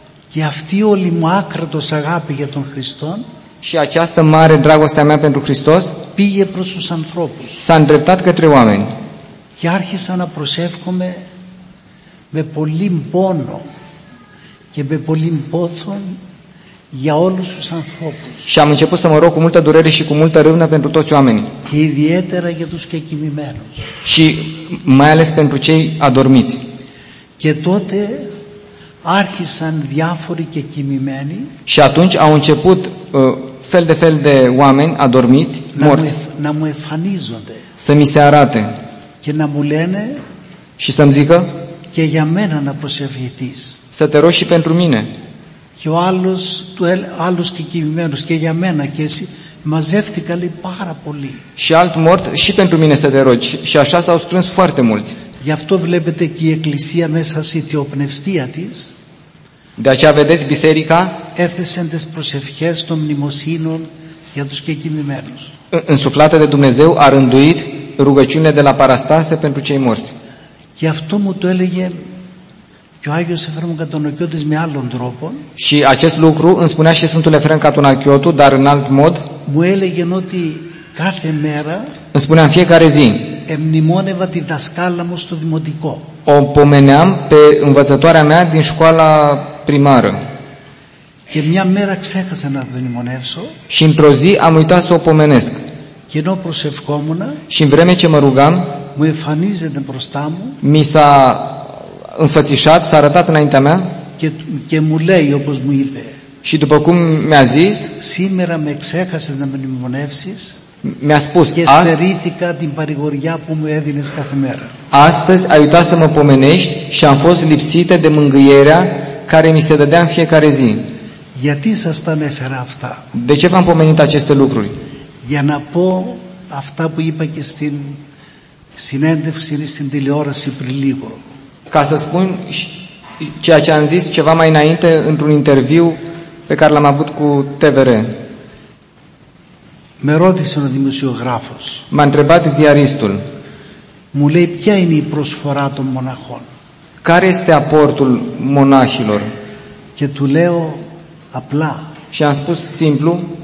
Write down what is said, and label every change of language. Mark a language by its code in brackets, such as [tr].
[el] Και αυτή η όλη μου άκρατος αγάπη για τον Χριστό, [ro] și această mare dragostea mea pentru Hristos, [el] πήγε προς τους ανθρώπους, [ro] s-a îndreptat către oameni. [el] Και άρχισα να προσεύχομαι με πολύ πόνο και με πολύ πόθο για όλους τους ανθρώπους. [ro] Și am început să mă rog cu multă durere și cu multă râvnă pentru toți oamenii. [el] Και ιδιαίτερα για τους κακοιμημένους. [ro] Și mai ales pentru cei adormiți. [el] Και τότε άρχισαν διάφοροι και κοιμημένοι. [ro] Și atunci au început fel de fel de oameni adormiți, morți. [el] Να μου εφανίζονται. [ro] Să mi se arate. [el] Και να μου λένε. [ro] Și să-mi zică. [el] Και για μένα να προσευχηθείς. [ro] Să te rogi și pentru mine. [el] Και ο άλλος, άλλος και κοιμημένος και για μένα και εσύ. Μαζεύτηκα λέει πάρα πολύ. [ro] Și alt mort și pentru mine să te rogi. Și așa s-au strâns foarte mulți. [el] Γι' αυτό βλέπετε και η Εκκλησία μέσα στη θεοπνευστία της. [ro] De aceea vedeți biserica. [el] Έθεσαν τις προσευχές των μνημοσύνων για τους κακοιμημένους. [ro] Însuflată de Dumnezeu a rânduit rugăciune de la Parastase pentru cei morți. [el] Γι' αυτό μου το έλεγε και ο Άγιος Εφραίμ Κατωνακιώτης με άλλον τρόπο. [ro] Și acest lucru îmi spunea și Sfântul Εφραίμ Κατωνακιώτου, dar în alt mod. [el] Μου έλεγε ότι κάθε μέρα. [ro] Îmi spunea în fiecare zi. [el] Εμνημόνευα τη δασκάλα μου στο δημοτικό. [ro] O pomeneam pe învățătoarea mea din școala primară. [el] Και μια μέρα ξέχασα να το μνημονεύσω. [ro] Și într-o zi am uitat să o pomenesc. [el] Και ενώ προσευχόμουν. [ro] Și în vreme ce mă rugam. [el] Μου εμφανίζεται μπροστά μου. [ro] Mi s-a înfățișat, s-a arătat înaintea mea. [el] Και μου λέει όπως μου είπε. [ro] Și după cum mi-a zis. [el] Σήμερα με ξέχασες να μνημονεύσεις. [ro] Mi-a spus, [el] και στερήθηκα την παρηγοριά που μου έδινες κάθε μέρα. [ro] Astăzi ai uitat să mă pomenești și am fost lipsită de mângâierea care mi se dădea în fiecare zi. [el] Γιατί σας τα ανέφερα αυτά? [ro] De ce v-am pomenit aceste lucruri? [el] Για να πω αυτά που είπα και στην συνέντευξη ή στην τηλεόραση πριν λίγο. [ro] Ca să spun ceea ce am zis ceva mai înainte într-un interviu pe care l-am avut cu TVR. [el] Με ρώτησε ο δημοσιογράφος. [ro] M-a întrebat ziaristul. [el] Μου λέει ποια είναι η προσφορά των μοναχών. [ro] Care este aportul monahilor? [el] Και του λέω απλά. [ro] Și am spus simplu.